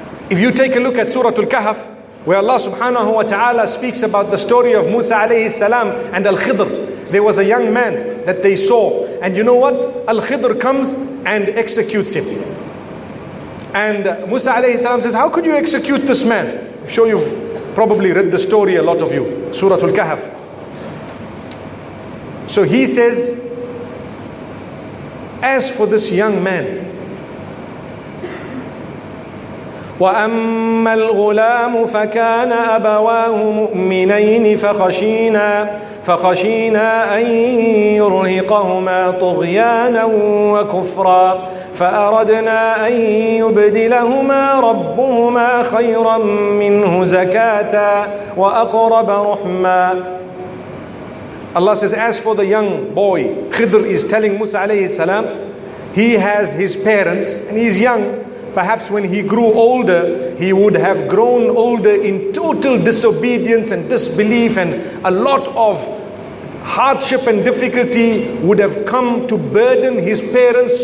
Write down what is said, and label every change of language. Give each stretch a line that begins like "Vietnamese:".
English: If you take a look at Suratul Kahf, where Allah subhanahu wa ta'ala speaks about the story of Musa alayhi salam and Al-Khidr. There was a young man that they saw. And you know what? Al-Khidr comes and executes him. And Musa alayhi salam says, how could you execute this man? I'm sure you've probably read the story, a lot of you. Suratul Kahf. So he says, as for this young man,
Arabic: وَأَمَّا الْغُلَامُ فَكَانَ أَبَوَاهُ مُؤْمِنَيْنِ فَخَشِينَا أَنْ يُرْهِقَهُمَا طُغْيَانًا وَكُفْرًا فَأَرَدْنَا أَنْ يُبْدِلَهُمَا رَبُّهُمَا خَيْرًا مِّنْهُ زَكَاةً وَأَقْرَبَ رُحْمًا.
English: Allah says, as for the young boy, Khidr is telling Musa alayhi salam, he has his parents and he's young. Perhaps when he grew older, he would have grown older in total disobedience and disbelief, and a lot of hardship and difficulty would have come to burden his parents.